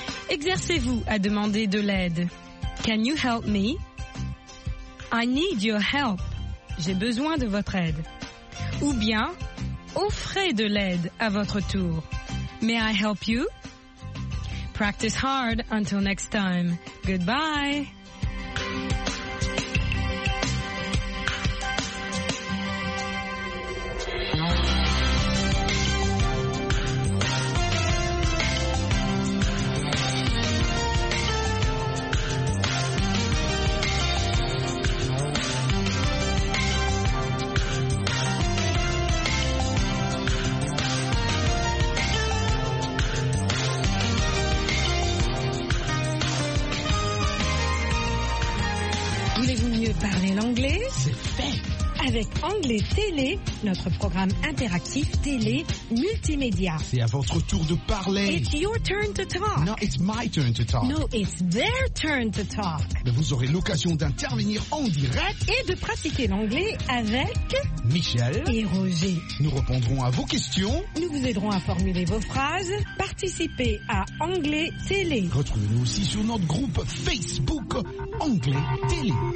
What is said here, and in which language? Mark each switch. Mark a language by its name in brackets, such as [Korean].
[French] Exercez-vous à demander de l'aide. [English] Can you help me? I need your help. [French] J'ai besoin de votre aide. Ou bien, offrez de l'aide à votre tour. [English] May I help you? Practice hard until next time. Goodbye. [French] veux parler l'anglais? C'est fait! Avec Anglais Télé, notre programme interactif télé multimédia. C'est à votre tour de parler. [English] It's your turn to talk. No, it's my turn to talk. No, it's their turn to talk. [French] Mais vous aurez l'occasion d'intervenir en direct et de pratiquer l'anglais avec Michel et Roger. Nous répondrons à vos questions. Nous vous aiderons à formuler vos phrases. Participez à Anglais Télé. Retrouvez-nous aussi sur notre groupe Facebook Anglais Télé.